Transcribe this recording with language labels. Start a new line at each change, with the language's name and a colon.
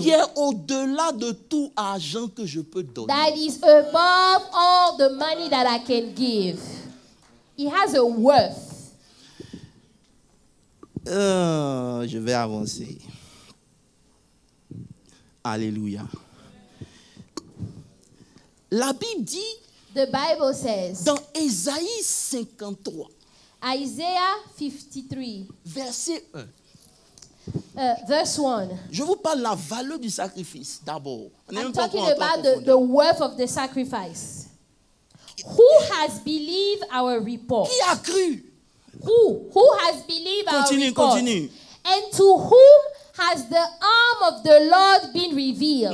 French: Qui est au-delà de tout argent que je peux donner.
English: That is above all the money that I can give. It has a worth.
French: Je vais avancer. Alléluia. La Bible dit,
English: the Bible says,
French: dans Ésaïe 53,
English: Isaiah 53,
French: verset 1,
English: verse 1.
French: Je vous parle de la valeur du sacrifice d'abord.
English: I'm talking about the worth of the sacrifice. Who has believed our report?
French: Qui a cru?
English: Who has believed
French: continue,
English: our report?
French: Continue.
English: And to whom has the arm of the Lord been revealed?